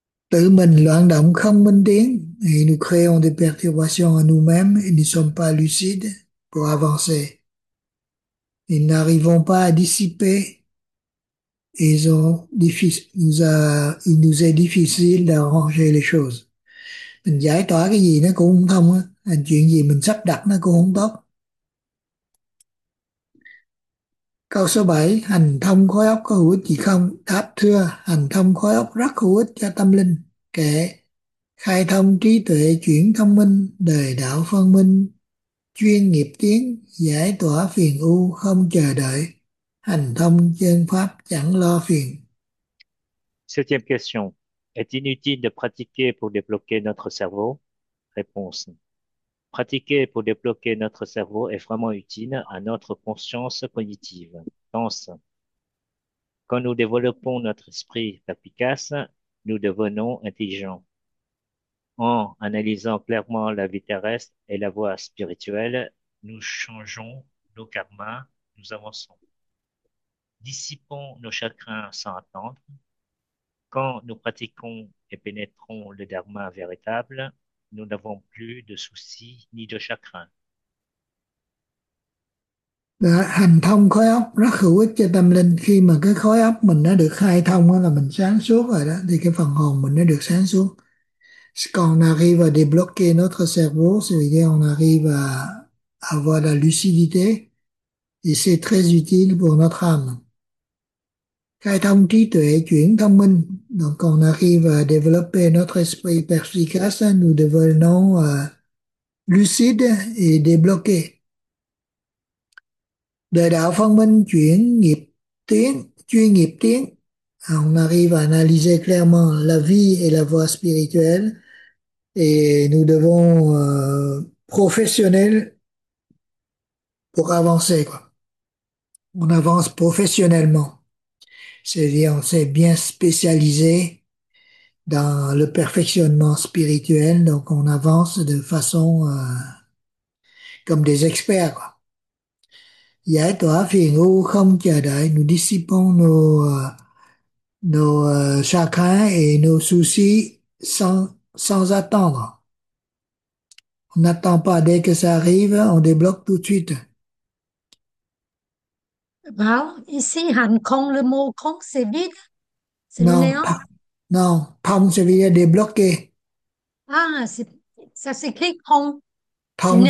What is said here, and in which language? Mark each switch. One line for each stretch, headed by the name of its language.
Vietnamese: Tự mình loạn động không minh tiến thì
French: nous créons des perturbations à nous-mêmes et nous ne sommes pas lucides pour avancer. Nous n'arrivons pas à dissiper et il nous est difficile d'arranger les choses.
Vietnamese: Mình giải tỏa cái gì nó cũng không thông á, chuyện gì mình sắp đặt nó cũng không tốt. Câu số 7, hành thông khối óc có hữu ích gì không? Đáp thưa, hành thông khối óc rất hữu ích cho tâm linh. Kệ, khai thông trí tuệ chuyển thông minh, đời đạo phân minh, chuyên nghiệp tiến, giải tỏa phiền ưu không chờ đợi, hành thông chân pháp chẳng lo phiền.
French: Septième question. Est-il inutile de pratiquer pour débloquer notre cerveau? Réponse. Pratiquer pour débloquer notre cerveau est vraiment utile à notre conscience cognitive. Pense. Quand nous développons notre esprit perspicace, nous devenons intelligents. En analysant clairement la vie terrestre et la voie spirituelle, nous changeons nos karmas, nous avançons. Dissipons nos chagrins sans attendre. Quand nous pratiquons et pénétrons le dharma véritable, nous n'avons plus de soucis ni de chagrins.
Vietnamese: Đó, hành thông khối óc rất hữu ích cho tâm linh. Khi mà cái khối óc mình nó được khai thông đó là mình sáng suốt rồi đó, thì cái phần hồn mình nó được sáng suốt. Còn
French: on arrive à débloquer notre cerveau, c'est-à-dire on arrive à avoir la lucidité, et c'est très utile pour notre âme.
Vietnamese: Khai thông trí tuệ chuyển thông minh,
French: donc on arrive à développer notre esprit perspicace, nous devenons lucide et débloqué.
Vietnamese: Đời đạo phân minh chuyên nghiệp tiến,
French: on arrive à analyser clairement la vie et la voie spirituelle et nous devons professionnel pour avancer quoi. On avance professionnellement, c'est-à-dire on s'est bien spécialisé dans le perfectionnement spirituel, donc on avance de façon comme des experts, quoi.
Vietnamese: Giải tỏa phiền ưu không chờ đợi,
French: nous dissipons nos chagrins et nos soucis sans attendre. On n'attend pas, dès que ça arrive, on débloque tout de suite.
Vietnamese: Bảo
French: ici
Vietnamese: hành không
French: le mot
Vietnamese: không
French: c'est vide c'est Non, néant. pas. Non, thông c'est débloquer. Ah, ça s'écrit không, c'est